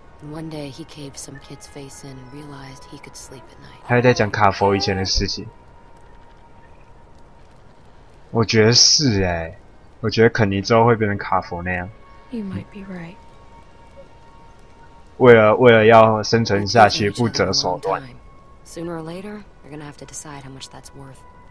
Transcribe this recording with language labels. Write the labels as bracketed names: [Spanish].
[English] One day he caved some kid's face in and realized he could sleep at night. [Chinese] 他还在讲卡佛以前的事情。我觉得是欸，我觉得肯尼之后会变成卡佛那样。 [English] You might be right. [Chinese] 为了要生存下去，不择手段。 [English] Sooner or later, you're gonna have to decide how much that's worth.